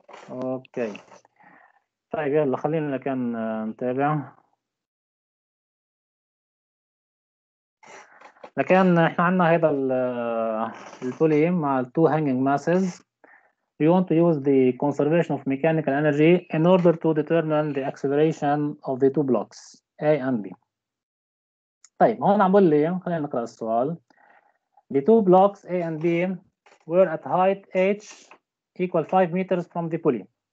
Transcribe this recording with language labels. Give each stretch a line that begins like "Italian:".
Arabic: اوكي طيب، يلا خلينا كان نتابع. لكن احنا عندنا هذا البوليم مع
English: two hanging masses. We want to use the conservation of mechanical energy in order to determine the acceleration of the two blocks A and B.
Arabic: طيب هون عم بقول لي، خلينا نقرا السؤال.
English: The two blocks A and B were at height h equal 5 meters from the pulley.